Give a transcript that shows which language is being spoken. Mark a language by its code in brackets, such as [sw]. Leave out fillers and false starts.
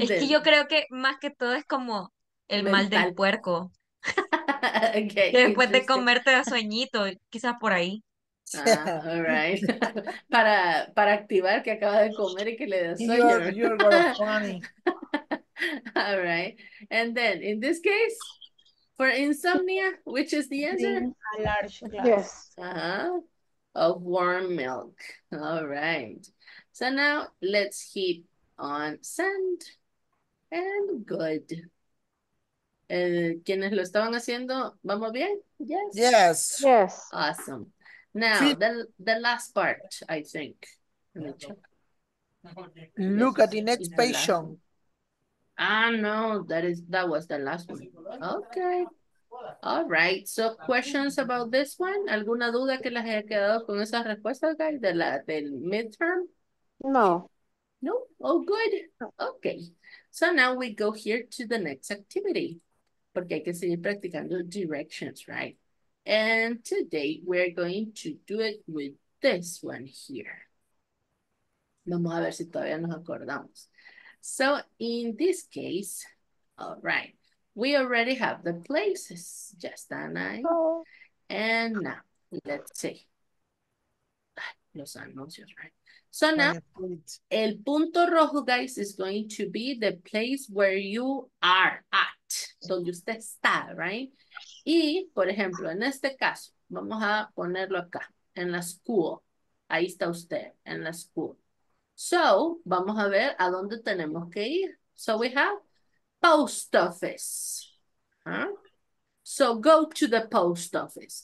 [es] Yo creo que más que todo es como el mental. Mal del puerco. [en] Okay, [es] que después de comerte da sueñito, quizás por ahí. [en] Ah, all right. [es] para activar que acaba de comer y que le da sueño. [en] You're funny. All right. And then, in this case, for insomnia, which is the answer? A large glass. Yes. Of warm milk. All right. So now let's hit on send and good. [es] ¿Quiénes lo estaban haciendo? ¿Vamos bien? [en] Yes. Awesome. Now, the last part, I think. Look at the next patient. That was the last one. Okay. All right. So questions about this one? [es] ¿Alguna duda que les haya quedado con esas respuestas, guys, del midterm? No. [en] Oh, good. Okay. So now we go here to the next activity. [es] Porque hay que seguir practicando [en] directions, right? And today we're going to do it with this one here. [es] Vamos a ver si todavía nos acordamos. [en] So in this case, all right, We already have the places, just and I. And now, let's see. [es] Los anuncios, [en] right? So now, [es] el punto rojo, [en] guys, is going to be the place where you are at. [es] Donde usted está, right? Y, por ejemplo, en este caso, vamos a ponerlo acá, en la school. Ahí está usted, en la school. So, vamos a ver a dónde tenemos que ir. [en] So, we have post office. So, go to the post office.